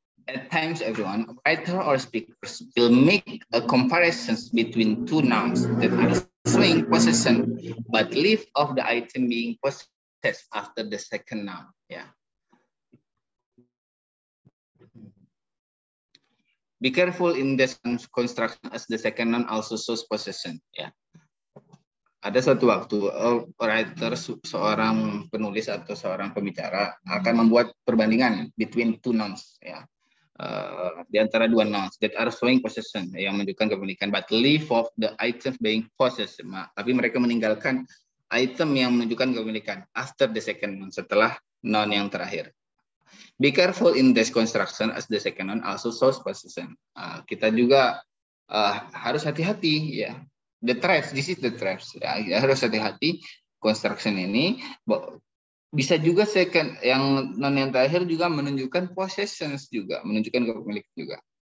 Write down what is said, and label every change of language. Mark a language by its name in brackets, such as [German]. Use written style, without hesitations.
[English] At times, everyone, writer or speakers will make a comparison between two nouns that are showing possession, but leave off the item being possessed after the second noun. Yeah. Be careful in this construction as the second noun also shows possession. Yeah. [Indonesian] Ada satu waktu, [English] a writer, [Indonesian] seorang penulis atau seorang pembicara akan membuat perbandingan [English] between two nouns. Yeah. [Indonesian] Di antara dua [English] nouns that are showing possession, [Indonesian] yang menunjukkan kepemilikan, [English] but leave off the items being possessed. [Indonesian] Tapi mereka meninggalkan item yang menunjukkan kepemilikan [English] after the second noun, [Indonesian] setelah noun yang terakhir. [English] Be careful in this construction as the second noun also shows possession. [Indonesian] Kita juga harus hati-hati, ya. [English] Yeah. The traps, this is the traps. [Indonesian] Ya, harus hati-hati construction ini. Bisa juga second yang non yang terakhir juga menunjukkan possessions juga, menunjukkan kepemilikan juga.